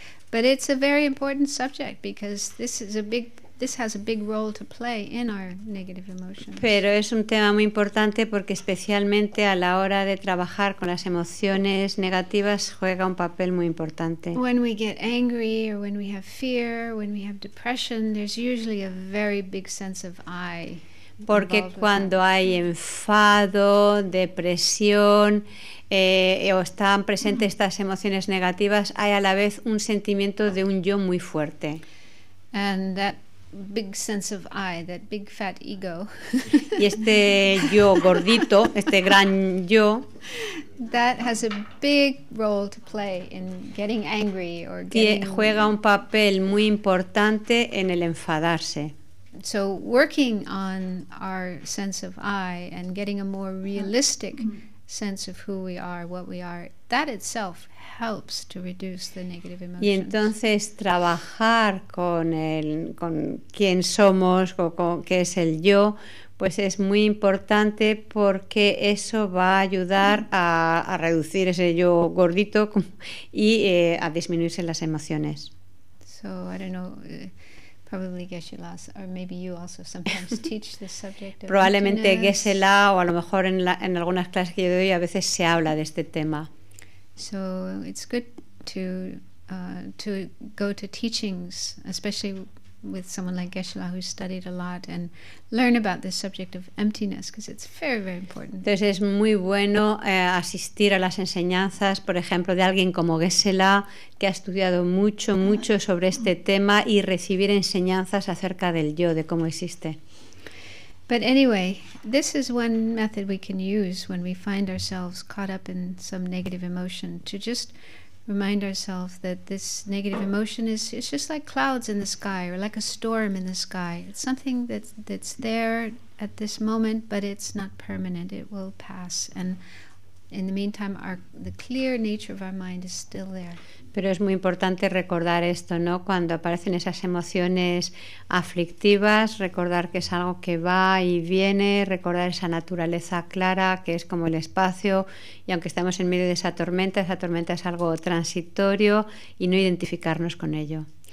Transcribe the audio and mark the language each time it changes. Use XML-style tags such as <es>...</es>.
<en>But it's a very important subject because this is a big. This has a big role to play in our negative emotions.</en> <es>Pero es un tema muy importante porque especialmente a la hora de trabajar con las emociones negativas juega un papel muy importante.</es> <en>When we get angry or when we have fear, when we have depression, there's usually a very big sense of I.</en> <es>Porque cuando hay enfado, depresión, o están presentes estas emociones negativas, hay a la vez un sentimiento de un yo muy fuerte.</es> <en>And that big sense of I, that big fat ego.</en> <es>Y este yo gordito, este gran yo,</es> <en>that has a big role to play in getting angry or getting.</en> <es>Juega un papel muy importante en el enfadarse.</es> <en>So working on our sense of I and getting a more realistic sense of who we are, what we are, that itself helps to reduce the negative emotions.</en> <es>Y entonces trabajar con el con quién somos o con qué es el yo, pues es muy importante porque eso va a ayudar a reducir ese yo gordito y a disminuirse las emociones.</es> <en>So I don't know, probably Geshe-la, or maybe you also sometimes teach this subject. Of</en> <es>probablemente Geshe-la o a lo mejor en la, en algunas clases que yo doy a veces se habla de este tema.</es> <en>So it's good to go to teachings, especially with someone like Geshe-la who studied a lot and learn about this subject of emptiness, because it's very, very important.</en> <es>Entonces es muy bueno asistir a las enseñanzas, por ejemplo, de alguien como Geshe-la, que ha estudiado mucho, mucho sobre este tema y recibir enseñanzas acerca del yo, de cómo existe.</es> <en>But anyway, this is one method we can use when we find ourselves caught up in some negative emotion, to just remind ourselves that this negative emotion is, it's just like clouds in the sky or like a storm in the sky. It's something that's there at this moment, but it's not permanent. It will pass. And in the meantime, the clear nature of our mind is still there.</en> <es>Pero es muy importante recordar esto, ¿no? Cuando aparecen esas emociones aflictivas, recordar que es algo que va y viene, recordar esa naturaleza clara que es como el espacio, y aunque estamos en medio de esa tormenta es algo transitorio, y no identificarnos con ello.</es>